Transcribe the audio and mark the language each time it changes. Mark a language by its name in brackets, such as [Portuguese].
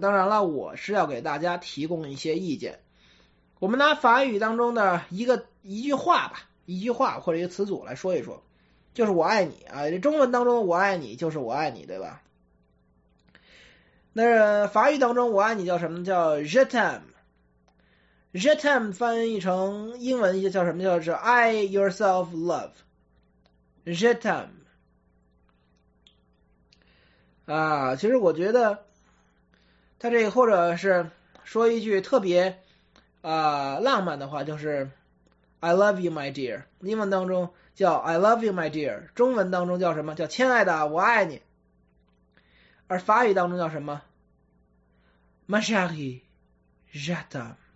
[Chinese] 当然了我是要给大家提供一些意见。我们拿法语当中的一句话吧，一句话或者一个词组来说一说。就是我爱你啊，这中文当中我爱你就是我爱你，对吧？那法语当中我爱你叫什么，叫 [French] je t'aime。 [Chinese] je t'aime 翻译成英文叫什么，叫是 [English] I yourself love [French] je t'aime [Chinese] 啊。其实我觉得他这或者是说一句特别浪漫的话，就是 [English] I love you my dear， [Chinese] 英文当中叫 I love you my dear， 中文当中叫什么，叫亲爱的我爱你。而法语当中叫什么， [French] ma chérie je t'aime。